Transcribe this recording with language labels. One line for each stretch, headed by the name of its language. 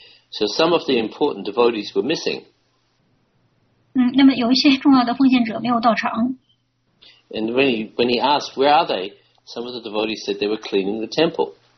English: So some of the important devotees were missing.
Chinese: 那么有一些重要的奉献者没有到场。
English: And when he asked, "Where are they?" Some of the devotees said they were cleaning the temple.